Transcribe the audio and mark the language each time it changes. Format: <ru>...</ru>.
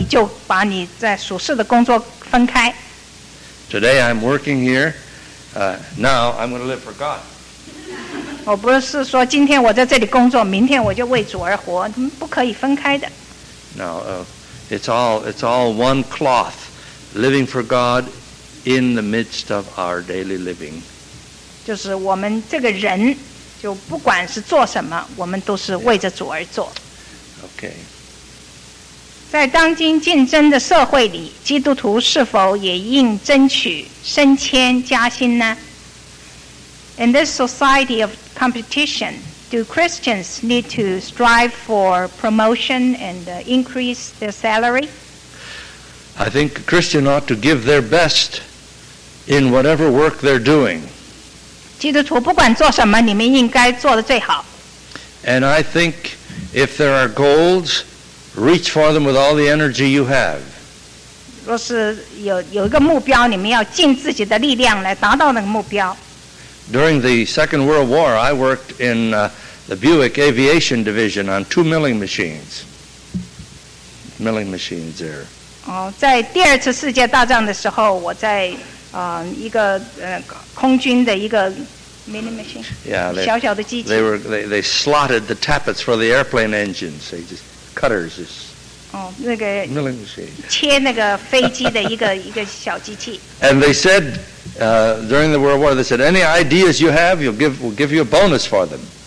<zh>为主而活，并不是说你就把你在属事的工作分开。</zh> <en>Today I'm working here. Now I'm going to live for God.</en> <zh>我不是说今天我在这里工作，明天我就为主而活，不可以分开的。</zh> <en>No, it's all one cloth. Living for God in the midst of our daily living.</en> <zh>就是我们这个人，就不管是做什么，我们都是为着主而做。</zh> <en>Okay.</en> <zh>在当今竞争的社会里，基督徒是否也应争取升迁加薪呢？</zh> <en>In this society of competition, do Christians need to strive for promotion and increase their salary? I think a Christian ought to give their best in whatever work they're doing.</en> <zh>基督徒不管做什么，你们应该做的最好。</zh> <en>And I think if there are goals, reach for them with all the energy you have.</en> <zh>若是有一个目标，你们要尽自己的力量来达到那个目标。</zh> <en>During the Second World War, I worked in the Buick Aviation Division on two milling machines. Milling machines there.</en> <zh>在第二次世界大战的时候，我在一个空军的一个 milling machine.</zh> <en>Yeah,</en> <zh>小小的机器.</zh> <en>They slotted the tappets for the airplane engines. They just cutters. Just</en> <zh>哦，那个</zh> <en>milling machine.</en> <zh>切那个飞机的一个小机器.</zh> <en>And they said. During the World War, they said, any ideas you have, we'll give you a bonus for them.</en>